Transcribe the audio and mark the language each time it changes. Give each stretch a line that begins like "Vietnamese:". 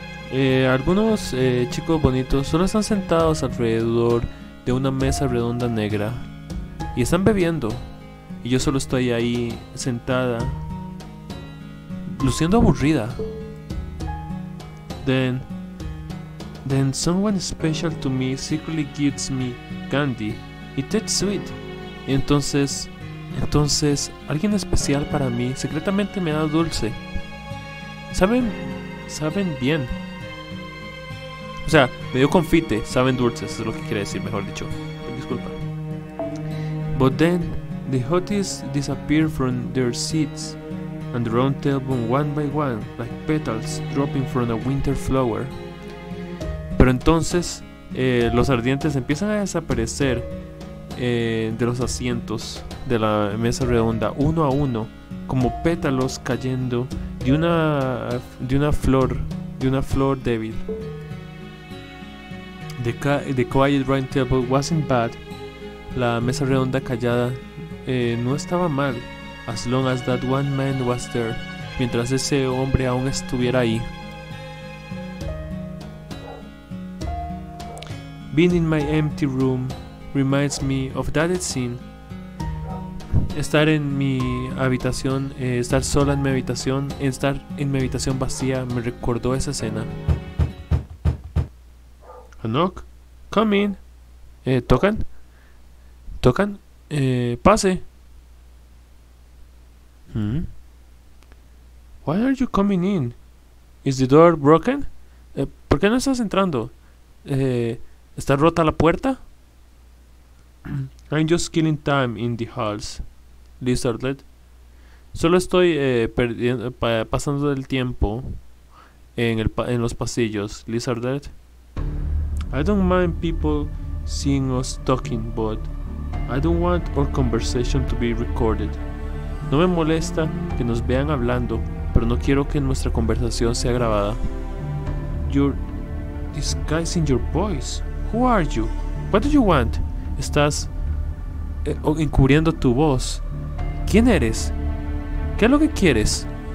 Spanish: Algunos chicos bonitos solo están sentados alrededor de una mesa redonda negra y están bebiendo. Y yo solo estoy ahí sentada, luciendo aburrida.
English: Then someone special to me secretly gives me candy. It tastes sweet.
Spanish: Y entonces alguien especial para mí secretamente me da dulce. Saben bien. O sea, me dio confite, saben dulces, es lo que quiere decir, mejor dicho. Disculpa.
English: But then the hotties disappear from their seats and the round table one by one, like petals dropping from a winter flower.
Spanish: Pero entonces los ardientes empiezan a desaparecer de los asientos de la mesa redonda, uno a uno, como pétalos cayendo de una flor débil.
English: The quiet round table wasn't bad.
Spanish: La mesa redonda callada no estaba mal.
English: As long as that one man was there.
Spanish: Mientras ese hombre aún estuviera ahí.
English: Being in my empty room reminds me of that scene.
Spanish: Estar en mi habitación, estar sola en mi habitación, estar en mi habitación vacía me recordó esa escena.
English: Knock. Come in.
Spanish: ¿Tocan? ¿Tocan? Pase.
English: Why are you coming in? Is the door broken?
Spanish: ¿Por qué no estás entrando? ¿Está rota la puerta?
English: I'm just killing time in the halls, Lizardlet.
Spanish: Solo estoy pasando el tiempo en los pasillos, Lizardlet.
English: I don't mind people seeing us talking, but I don't want our conversation to be recorded.
Spanish: No me molesta que nos vean hablando, pero no quiero que nuestra conversación sea grabada.
English: You're disguising your voice. Who are you? What do you want?
Spanish: Estás encubriendo tu voz. ¿Quién eres? ¿Qué es lo que quieres?